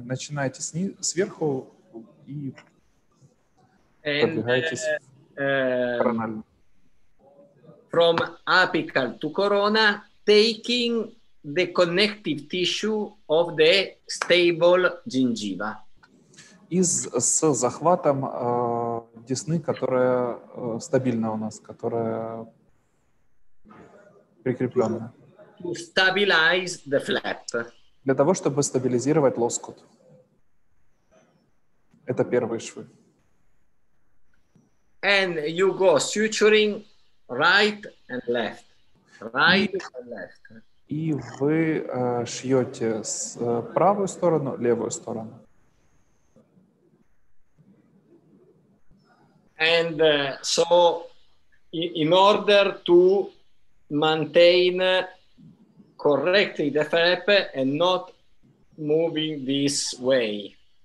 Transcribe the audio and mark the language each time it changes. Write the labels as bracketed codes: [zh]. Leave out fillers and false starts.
[ru] Начинаете сверху и продвигаетесь коронально. [en] From apical to corona, taking the connective tissue of the stable gingiva. [ru] Из с захватом десны, которая стабильна у нас, которая прикреплена. [en] To stabilize the flap. [ru] Для того, чтобы стабилизировать лоскут. Это первые швы. [en] And you go suturing right and left. Right and left. [ru] И вы шьете с правую сторону, левую сторону. [en] And so in order to maintain correctly the flap and not moving this way.